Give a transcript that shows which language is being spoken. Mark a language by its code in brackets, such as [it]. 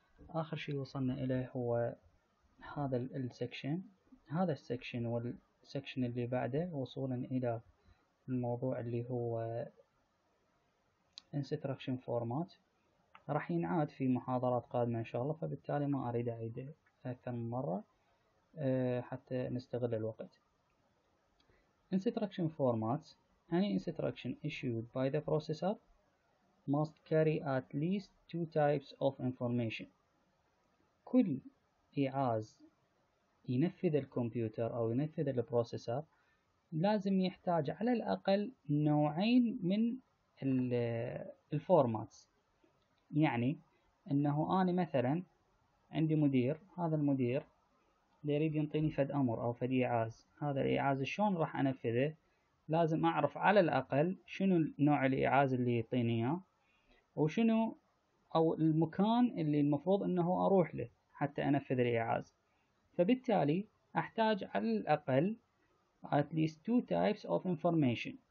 [ar] آخر شيء وصلنا إليه هو هذا السكشن، هذا السكشن والسكشن اللي بعده، وصولا إلى الموضوع اللي هو Instruction Format، راح ينعاد في محاضرات قادمة إن شاء الله، فبالتالي ما أريد أعيد أكثر من مرة حتى نستغل الوقت. [en] Instruction Formats: any instruction issued by the processor must carry at least two types of information. [ar] كل إعاز ينفذ الكمبيوتر أو ينفذ البروسيسر لازم يحتاج على الأقل نوعين من الفورماتس. يعني أنه أنا مثلا عندي مدير، هذا المدير يريد ينطيني فد أمر أو فد إعاز، هذا الإعاز شلون راح أنفذه؟ لازم أعرف على الأقل شنو نوع الإعاز اللي يعطيني إياه، وشنو أو المكان اللي المفروض أنه أروح له حتى أنفذ الإعاز. فبالتالي أحتاج على الأقل [en] at least two types of information.